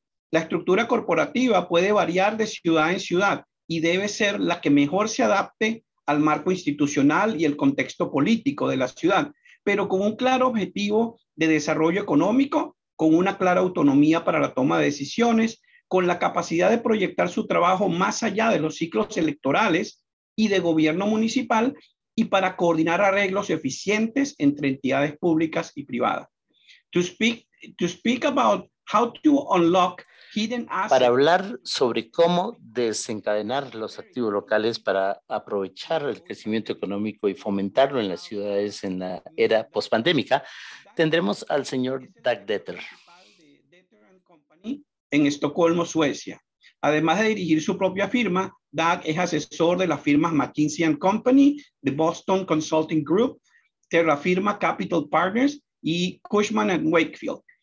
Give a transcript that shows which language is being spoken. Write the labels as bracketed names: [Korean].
[Spanish] La estructura corporativa puede variar de ciudad en ciudad y debe ser la que mejor se adapte al marco institucional y el contexto político de la ciudad, pero con un claro objetivo de desarrollo económico, con una clara autonomía para la toma de decisiones, con la capacidad de proyectar su trabajo más allá de los ciclos electorales y de gobierno municipal y para coordinar arreglos eficientes entre entidades públicas y privadas. [English] To speak about how to unlock hidden assets. [Spanish] Para hablar sobre cómo desencadenar los activos locales para aprovechar el crecimiento económico y fomentarlo en las ciudades en la era pospandémica, tendremos al señor Dag Detter. Detter and Company en Estocolmo, Suecia. Además de dirigir su propia firma, Dag es asesor de las firmas McKinsey and Company, The Boston Consulting Group, Terra Firma Capital Partners y Cushman and Wakefield.